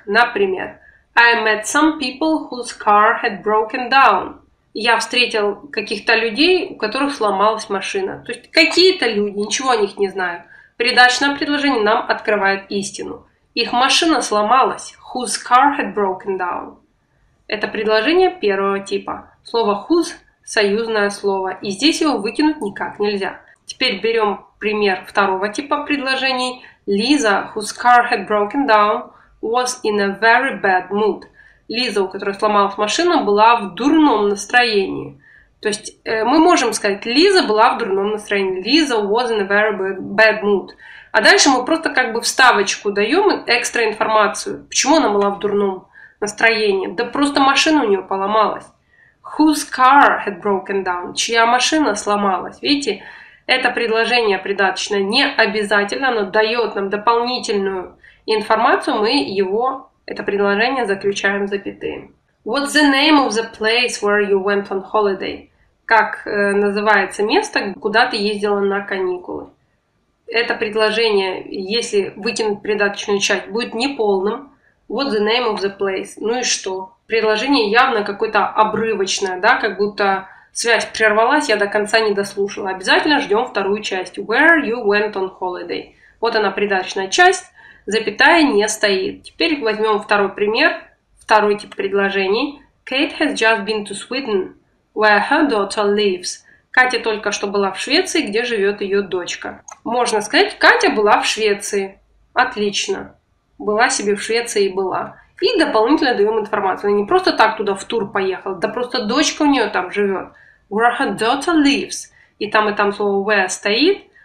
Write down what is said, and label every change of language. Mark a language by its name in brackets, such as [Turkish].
[Russian] Например, [English] I met some people whose car had broken down. [Russian] Я встретил каких-то людей, у которых сломалась машина. То есть какие-то люди, ничего о них не знаю. Придачное предложение нам открывает истину. Их машина сломалась. [English] Whose car had broken down? [Russian] Это предложение первого типа. Слово whose союзное слово. И здесь его выкинуть никак нельзя. Теперь берем пример второго типа предложений. [English] Лиза, whose car had broken down, was in a very bad mood. [Russian] Лиза, у которой сломалась машина, была в дурном настроении. То есть мы можем сказать, Лиза была в дурном настроении. [English] Лиза was in a very bad mood. [Russian] А дальше мы просто как бы вставочку даем, экстра информацию. Почему она была в дурном настроении? Да просто машина у нее поломалась. [English] Whose car had broken down? [Russian] Чья машина сломалась? Видите, это предложение придаточное не обязательно, оно дает нам дополнительную информацию, мы его, это предложение, заключаем в запятые. [English] What's the name of the place where you went on holiday? [Russian] Как называется место, куда ты ездила на каникулы? Это предложение, если выкинуть придаточную часть, будет неполным. [English] What's the name of the place? [Russian] Ну и что? Предложение явно какое-то обрывочное, да, как будто связь прервалась, я до конца не дослушала. Обязательно ждем вторую часть. [English] Where you went on holiday? [Russian] Вот она, придаточная часть, запятая не стоит. Теперь возьмем второй пример, второй тип предложений. [English] Kate has just been to Sweden, where her daughter lives. [Russian] Катя только что была в Швеции, где живет ее дочка. Можно сказать, Катя была в Швеции. Отлично. Была себе в Швеции и была. И дополнительно даем информацию. Она не просто так туда в тур поехала, да просто дочка у нее там живет. [English] Where her daughter lives. [Russian] И там слово where стоит.